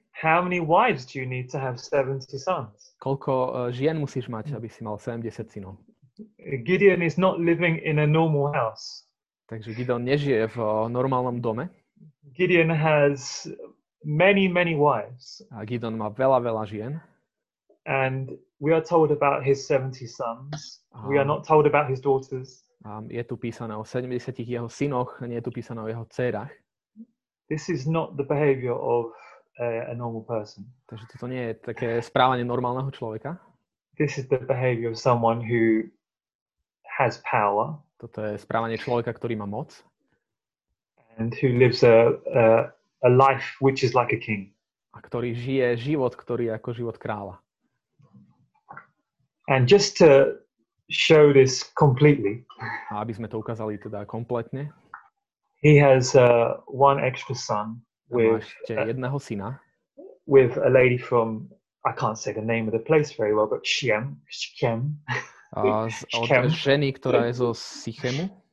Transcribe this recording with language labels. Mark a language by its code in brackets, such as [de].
[en] How many wives do you need to have 70 sons? [sk] Koľko žien musíš mať, aby si mal 70 synov? [en] Gideon is not living in a normal house. [sk] Takže Gideon nežije v normálnom dome. [en] Gideon has many, many wives. [sk] A Gideon má veľa, veľa žien. [en] And we are told about his 70 sons. We are not told about his daughters. [sk] Je tu písané o 70 jeho synoch, nie je tu písané o jeho dcérach. [en] This is not the behavior of a normal person. [sk] Takže toto nie je také správanie normálneho človeka. [en] This is the behavior of someone who has power. [sk] Toto je správanie človeka, ktorý má moc. [en] And who lives a life which is like a king. [sk] A ktorý žije život, ktorý je ako život kráľa. [en] And just to show this completely. [sk] A aby sme to ukázali teda kompletne. [en] He has one extra son. [sk] Ešte jedného syna. [en] With a lady from, I can't say the name of the place very well, but Shem. Shem. [sk] Od ženy, ktorá je zo Sichemu.